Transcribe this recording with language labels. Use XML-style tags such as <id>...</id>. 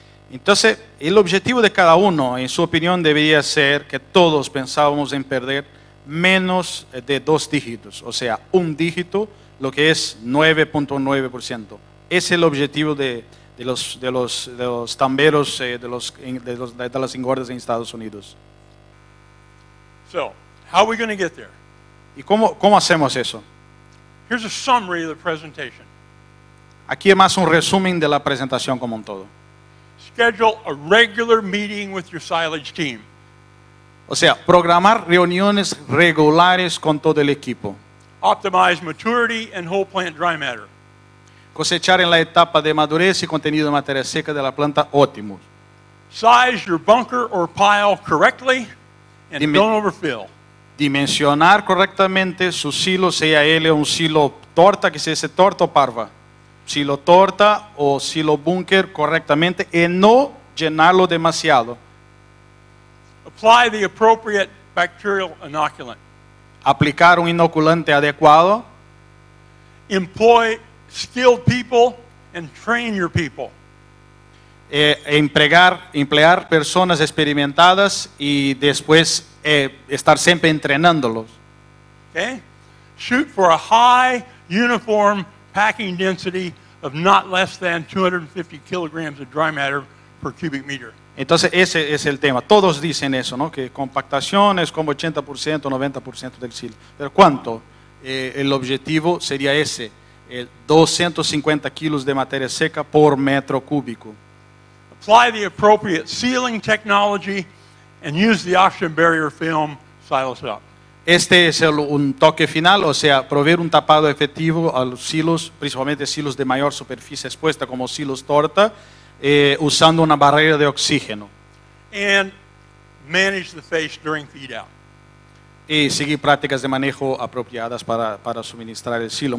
<es>Entonces, el objetivo de cada uno, en su opinión, debería ser que todos pensábamos en perder menos de dos dígitos, o sea, un dígito, lo que es 9.9%. Es el objetivo de los tamberos, de las engordas en Estados Unidos.</es> <en>So, how are we going to get there?</en> <es>¿Y cómo hacemos eso?</es> <en>Here's a summary of the presentation.</en> <es>Aquí es más un resumen de la presentación como un todo.</es> <en>Schedule a regular meeting with your silage team.</en> <es>O sea, programar reuniones regulares con todo el equipo.</es> <en>Optimize maturity and whole plant dry matter.</en> <es>Cosechar en la etapa de madurez y contenido de materia seca de la planta óptimo.</es> <en>Size your bunker or pile correctly and don't overfill.</en> <es>Dimensionar correctamente su silo, sea él un silo torta, que sea ese torto o parva. Silo torta o silo búnker correctamente y no llenarlo demasiado.</es> <en>Apply the appropriate bacterial inoculant.</en> <es>Aplicar un inoculante adecuado.</es> <en>Employ skilled people and train your people.</en> <es>Emplear personas experimentadas y después estar siempre entrenándolos.</es> <en>Okay. Shoot for a high uniform packing density of not less than 250 kilograms of dry matter per cubic meter.</en> <es>Entonces ese es el tema. Todos dicen eso, ¿no? Que compactación es como 80%, 90% del silo. Pero ¿cuánto? El objetivo sería ese, 250 kilos de materia seca por metro cúbico.</es> <en>Apply the appropriate sealing technology and use the oxygen barrier film silos up.</en> <es>Este es un toque final, o sea, proveer un tapado efectivo a los silos, principalmente silos de mayor superficie expuesta como silos torta, usando una barrera de oxígeno.</es> <en>And manage the face during feed out.</en> <es>Y seguir prácticas de manejo apropiadas para suministrar el silo.</es>